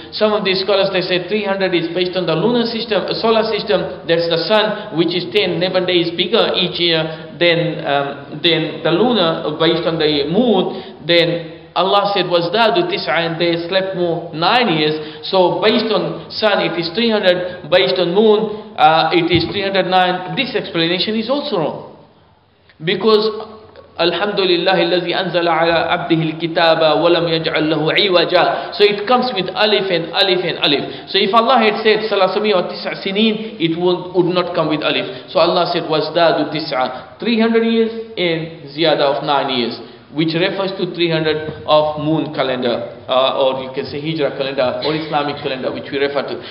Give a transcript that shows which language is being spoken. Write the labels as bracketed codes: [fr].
[en] Some of these scholars, they say 300 is based on the lunar system, solar system, that's the sun, which is 10, 11 days bigger each year than the lunar, based on the moon. Then Allah said, [ar] وَازْدَادُ تِسْعَى, [en] and they slept more 9 years. So based on sun, it is 300, based on moon, it is 309. This explanation is also wrong. Because [ar] Alhamdulillah الذي أنزل على عبده الكتاب ولم يجعل له عوجا. [en] So it comes with alif and alif and alif. So if Allah had said 309 sinin, it would not come with alif. So Allah said [ar] وَازْدَادُ تِسْعَى, [en] 300 years and ziyada of 9 years, which refers to 300 of moon calendar, or you can say Hijra calendar or Islamic calendar, which we refer to.